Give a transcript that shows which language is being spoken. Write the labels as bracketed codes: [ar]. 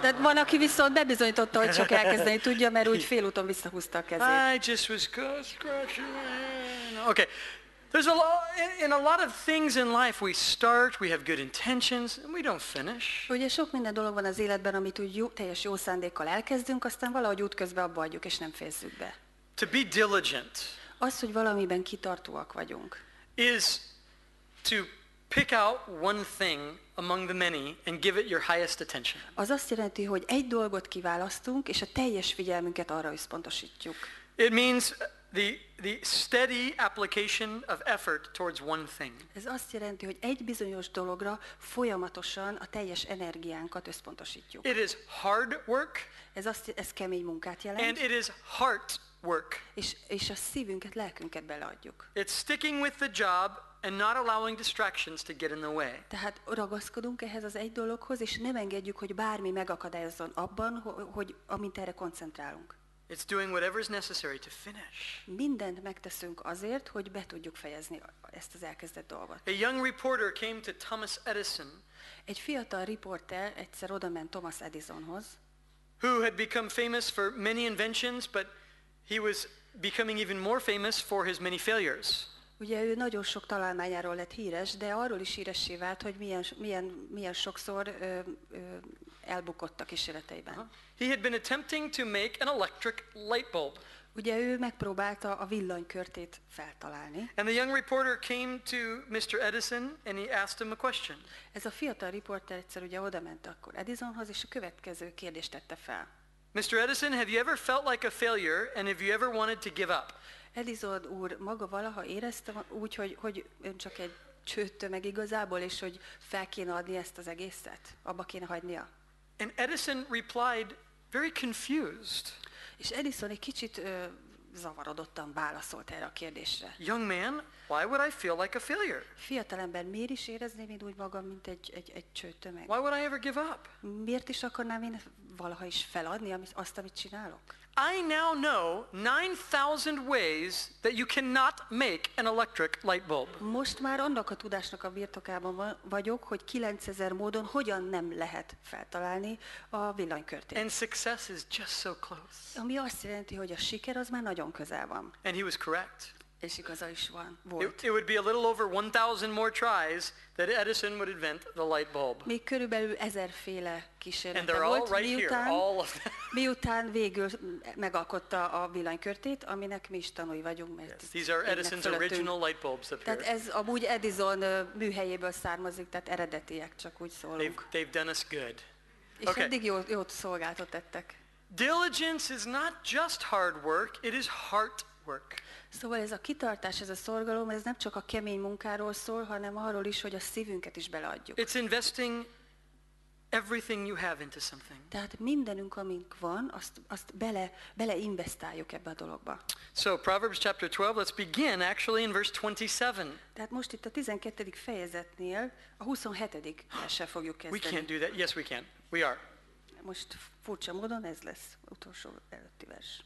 [hu] Tehát van, aki viszont bebizonyította, hogy csak elkezdeni tudja, mert úgy félúton visszahúzta a kezét. [en] I just was scratching my hand. Okay. There's a lot, in a lot of things in life we start, we have good intentions, and we don't finish. [hu] Ugye sok minden dolog van az életben, amit úgy teljes jó szándékkal elkezdünk, aztán valahogy útközben abba adjuk, és nem fejezzük be. [en] To be diligent. [hu] Az, hogy valamiben kitartóak vagyunk. [en] Is to pick out one thing among the many and give it your highest attention. [hu] Az azt jelenti, hogy egy dolgot kiválasztunk, és a teljes figyelmünket arra összpontosítjuk. [en] It means the steady application of effort towards one thing. [hu] Ez azt jelenti, hogy egy bizonyos dologra folyamatosan a teljes energiánkat összpontosítjuk. [en] It is hard work. [hu] Ez kemény munkát jelent. [en] And it is heart work. [hu] És a szívünket, lelkünket beleadjuk. [en] It's sticking with the job and not allowing distractions to get in the way. [hu] Tehát ragaszkodunk ehhez az egy dologhoz, és nem engedjük, hogy bármi megakadályozzon abban, hogy amint erre koncentrálunk. [en] It's doing whatever is necessary to finish. [hu] Mindent megteszünk azért, hogy be tudjuk fejezni ezt az elkezdett dolgot. [en] A young reporter came to Thomas Edison. [hu] Egy fiatal riporter egyszer odament Thomas Edisonhoz. [en] Who had become famous for many inventions, but He was becoming even more famous for his many failures. [hu] Ugye ő nagyon sok találmányáról lett híres, de arról is híressé vált, hogy milyen sokszor elbukott a kísérleteiben. [en] He had been attempting to make an electric light bulb. [hu] Ugye ő megpróbálta a villanykörtét feltalálni. [en] And the young reporter came to Mr. Edison and he asked him a question. [hu] Ez a fiatal riporter egyszer ugye odament akkor Edisonhoz, és a következő kérdést tette fel. [en] Mr. Edison, have you ever felt like a failure and have you ever wanted to give up? [hu] Edison úr maga valaha érezte úgy, hogy ön csak egy csőttő meg igazából, és hogy fel kéne adni ezt az egészet, abba kéne hagynia. [en] And Edison replied very confused. [hu] És Edison egy kicsit zavarodottan válaszolt erre a kérdésre. [en] Young man, why would I feel like a failure? [hu] Fiatalember, miért is érezném én úgy magam, mint egy csőttő meg? [en] Why would I ever give up? [hu] Miért is akarnám én valaha is feladni azt, amit csinálok? [en] I now know 9,000 ways that you cannot make an electric light bulb. [hu] Most már annak a tudásnak a birtokában vagyok, hogy 9,000 módon hogyan nem lehet feltalálni a villanykörtét. [en] And success is just so close. [hu] Ami azt jelenti, hogy a siker az már nagyon közel van. [en] And he was correct. [hu] És igaza is van, volt. [en] It would be a little over 1,000 more tries that Edison would invent the light bulb. [hu] Még körülbelül 1,000 féle kísérlete [en] volt. And they're all right [hu] miután, [en] here, all of them. [hu] Miután végül megalkotta a villanykörtét, aminek mi is tanulj vagyunk, mert [en] yes, these are Edison's original light bulbs up here. [hu] Tehát ez amúgy Edison műhelyéből származik, tehát eredetiek, csak úgy szólunk. [en] They've done us good. [hu] És okay. Eddig jót szolgáltat tettek. [en] Diligence is not just hard work, it is heart work. [hu] Szóval ez a kitartás, ez a szorgalom, ez nem csak a kemény munkáról szól, hanem arról is, hogy a szívünket is beleadjuk. [en] It's investing everything you have into something. [hu] Tehát mindenünk, amink van, azt beleinvestáljuk ebbe a dologba. [en] So Proverbs chapter 12, let's begin actually in verse 27. [hu] Tehát most itt a 12. fejezetnél a 27. verssel fogjuk kezdeni. [en] We can't do that. Yes, we can. We are. [hu] Most furcsa módon ez lesz utolsó előtti vers.